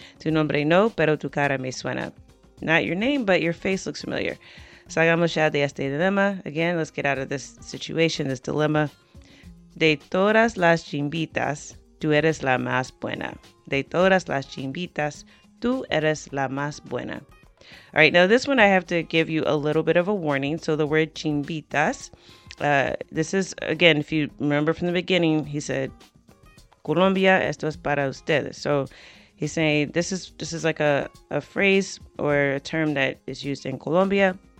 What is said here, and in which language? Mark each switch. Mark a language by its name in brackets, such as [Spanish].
[Spanish] Tu nombre no, pero tu cara me suena. [English] Not your name, but your face looks familiar. [Spanish] Salgamos ya de este dilema. [English] Again, let's get out of this situation, this dilemma. [Spanish] De todas las chimbitas, tú eres la más buena. De todas las chimbitas, tú eres la más buena. [English] All right, now this one I have to give you a little bit of a warning. So the word chimbitas, this is, again, if you remember from the beginning, he said, Colombia, [Spanish] esto es para ustedes. [English] So He's saying this is like a phrase or a term that is used in Colombia.